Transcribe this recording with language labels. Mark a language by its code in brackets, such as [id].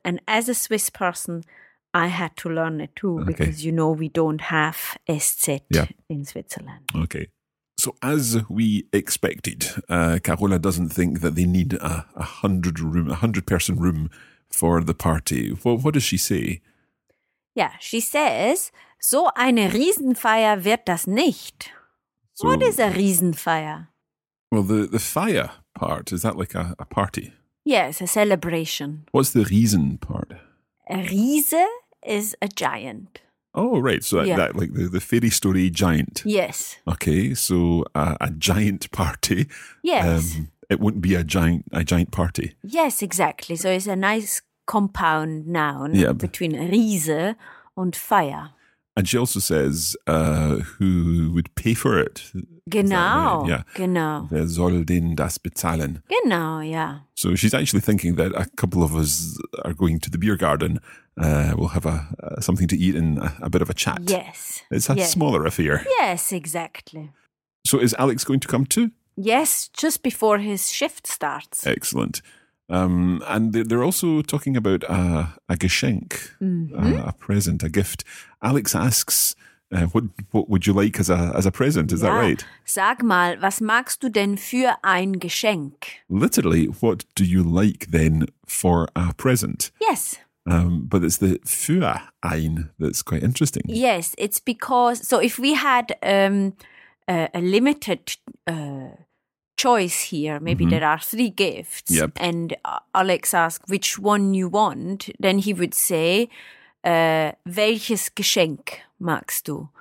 [en] And as a Swiss person, I had to learn it too, because you know we don't have SZ in Switzerland. Okay. So as we expected, Carola doesn't think that they need a hundred person room for the party. What does she say? Yeah, she says, [de] so eine Riesenfeier wird das nicht. [en] So, what is a Riesenfeier? Well, the fire part, is that like a party? Yeah, it's a celebration. What's the Riesen part? A Riese is a giant. Oh, right. So that like the fairy story giant. Yes. Okay, so a giant party. Yes. It wouldn't be a giant party. Yes, exactly. So it's a nice compound noun between Riese and Feier. And she also says, who would pay for it? [de] Genau. [en] Right? Yeah. [de] Genau. Wer soll denn das bezahlen? Genau, [en] yeah. So she's actually thinking that a couple of us are going to the beer garden. We'll have something to eat and a bit of a chat. Yes. It's a smaller affair. Yes, exactly. So is Alex going to come too? Yes, just before his shift starts. Excellent. And they're also talking about a Geschenk, a present, a gift. Alex asks, what would you like as a present? Is that right? [de] Sag mal, was magst du denn für ein Geschenk? [en] Literally, what do you like then for a present? Yes. But it's the für ein that's quite interesting. Yes, it's because, so if we had a limited choice here, maybe there are three gifts, and Alex asks, which one you want, then he would say, [de] welches Geschenk magst du?